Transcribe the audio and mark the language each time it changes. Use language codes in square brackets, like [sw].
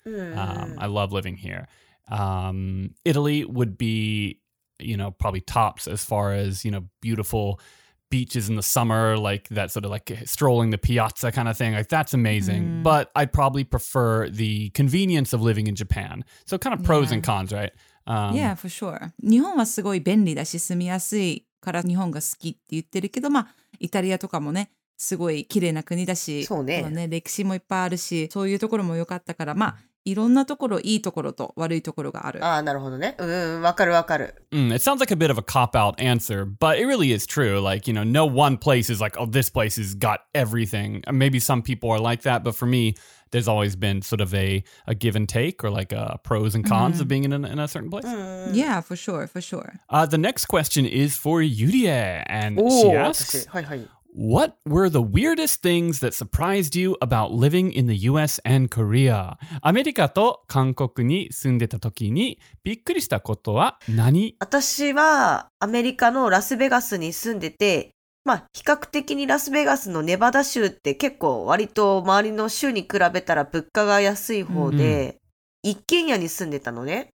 [en] I love living here. Italy would be, you know, probably tops as far as, you know, beautiful beaches in the summer, like that sort of like strolling the piazza kind of thing. Like that's amazing. Mm. But I'd probably prefer the convenience of living in Japan. So kind of pros and cons, right? Yeah, for sure. [ja] 日本はすごい便利だし住みやすいから日本が好きって言ってるけど、まあイタリアとかもね、すごい綺麗な国だし、そうね。ね、歴史もいっぱいあるし、そういうところも良かったから、まあ。いろんなところ、いいところと悪いところがある。ああ、なるほどね。わかるわかる。 [en] It sounds like a bit of a cop-out answer, but it really is true. Like, you know, no one place is like, oh, this place has got everything. Maybe some people are like that, but for me, there's always been sort of a give and take or like a pros and cons of being in a certain place. Yeah, for sure, for sure. The next question is for Yurie, and she asks, okay. [ja] はいはい。 [en] What were the weirdest things that surprised you about living in the US and Korea? [ja] アメリカと韓国に住んでた時にびっくりしたことは何？私はアメリカのラスベガスに住んでて、まあ比較的にラスベガスのネバダ州って結構割と周りの州に比べたら物価が安い方で、一軒家に住んでたのね。